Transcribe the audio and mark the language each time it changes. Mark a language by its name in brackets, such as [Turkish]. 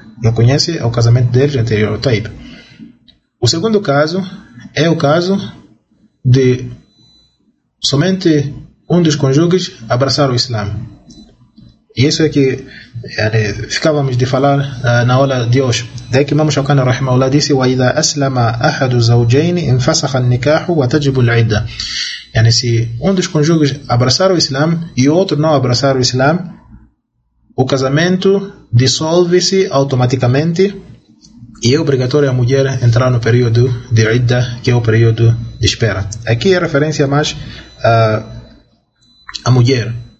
[Portuguese] Reconhece o casamento deles anterior. O segundo caso é o caso de somente um dos cônjuges abraçar o Islã. E isso é que ficávamos de falar na aula de hoje. Daí que Imam Shawqani rahimahullah disse: [Arabic] وَإِذَا أَسْلَمَ أَحَدُ زَوْجَيْنِ انْفَسَخَ النِّكَاحُ وَتَجِبُ الْعِدَّةِ. [Portuguese] Se um dos cônjuges abraçar o Islã e o outro não abraçar o Islã, o casamento dissolve-se automaticamente e é obrigatório a mulher entrar no período de idda, que é o período de espera. Aqui é referência mais à mulher.